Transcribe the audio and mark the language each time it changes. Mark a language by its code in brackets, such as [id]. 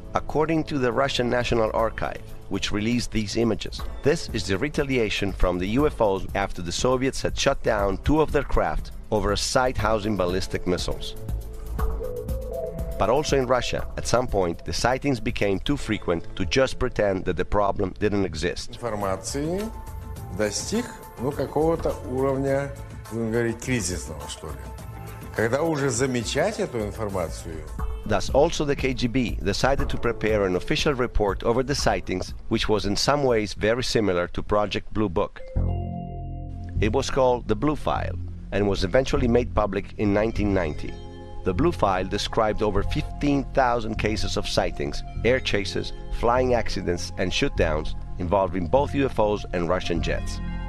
[en] According to the Russian National Archive, which released these images, this is the retaliation from the UFOs after the Soviets had shut down two of their craft over a site housing ballistic missiles. But also in Russia, at some point, the sightings became too frequent to just pretend that the problem didn't exist. [ru] Информации достиг, ну, какого-то уровня, будем говорить, кризисного, что ли. Когда уже замечать эту информацию... [en] Thus, also the KGB decided to prepare an official report over the sightings, which was in some ways very similar to Project Blue Book. It was called the Blue File and was eventually made public in 1990. The Blue File described over 15,000 cases of sightings, air chases, flying accidents, and shootdowns involving both UFOs and Russian jets.